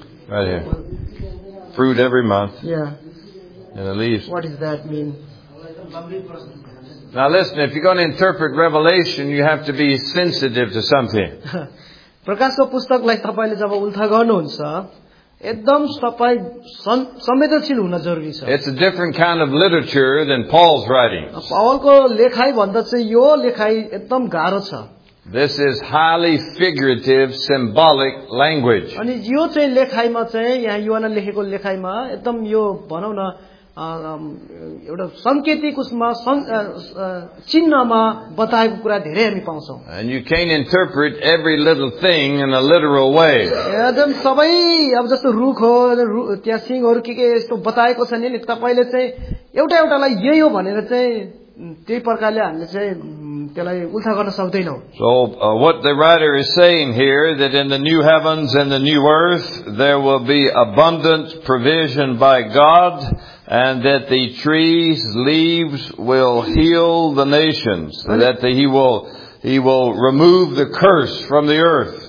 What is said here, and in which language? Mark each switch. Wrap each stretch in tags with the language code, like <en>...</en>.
<en>right here fruit every month yeah and the leaves what does that mean. Now listen, if you're going to interpret Revelation, you have to be sensitive to something.</en> <ne>प्रकाशको पुस्तकलाई तपाईले जब उल्टा गर्नुहुन्छ एकदम तपाई संवेदनशील हुन जरुरी छ.</ne> <en>It's a different kind of literature than Paul's writings.</en> <ne>पौलको लेखाइ भन्दा चाहिँ यो लेखाइ एकदम गाह्रो छ.</ne> <en>This is highly figurative, symbolic language.</en> <ne>अनि यो चाहिँ लेखाइमा चाहिँ यहाँ युहान लेखेको लेखाइमा एकदम यो भनौ न एउटा संकेतिक उसमा चिन्हमा बताएको कुरा धेरै हामी पाउँछौ.</ne> <en>And you can't interpret every little thing in a literal way.</en> <ne>एकदम सबै अब जस्तो रुख हो त्यहाँ सिंहहरू के यस्तो बताएको छ नि तपाईँले चाहिँ एउटा एउटालाई यही हो भनेर चाहिँ त्यही प्रकारले हामीले चाहिँ त्यसलाई उल्टा गर्न सक्दैनौ.</ne> <en>So what the writer is saying here that in the new heavens and the new earth there will be abundant provision by God and that the trees leaves will heal the nations and that he will remove the curse from the earth.</en>